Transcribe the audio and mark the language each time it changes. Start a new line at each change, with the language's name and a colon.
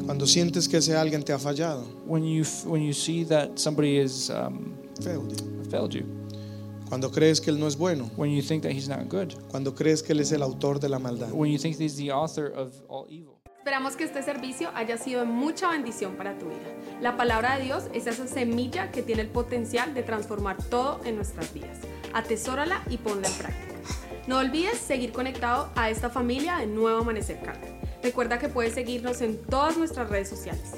Spanish: Cuando sientes que ese alguien te ha fallado.
English: When you see that somebody is failed you.
Spanish: Cuando crees que él no es bueno.
English: When you think that he's not good.
Spanish: Cuando crees que él es el autor de la maldad.
English: When you think he's the author of all evil.
Spanish: Esperamos que este servicio haya sido de mucha bendición para tu vida. La palabra de Dios es esa semilla que tiene el potencial de transformar todo en nuestras vidas. Atesórala y ponla en práctica. No olvides seguir conectado a esta familia de Nuevo Amanecer Cali. Recuerda que puedes seguirnos en todas nuestras redes sociales.